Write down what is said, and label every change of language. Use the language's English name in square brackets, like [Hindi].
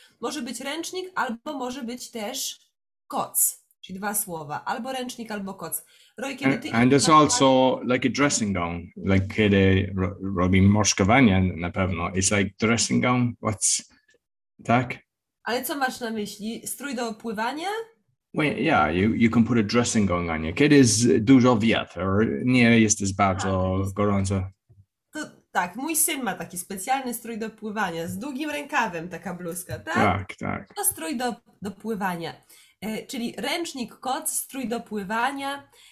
[Polish] Może być ręcznik, albo może być też koc, czyli dwa słowa, albo ręcznik, albo koc. [English] Roy, [Polish] kiedy ty [English] and there's also like a dressing gown, like [Polish] kiedy robi morszkowanie na pewno, [English] it's like dressing gown, what's, tak? [Polish] Ale co masz na myśli, strój do pływania? [English] Well, yeah, you can put a dressing gown on you. [Polish] Kiedy jest dużo wiatr, nie jest bardzo gorąco. To, tak, mój syn ma taki specjalny strój do pływania, z długim rękawem taka bluzka, tak? Tak, tak. To strój do pływania, czyli ręcznik, koc, strój do pływania.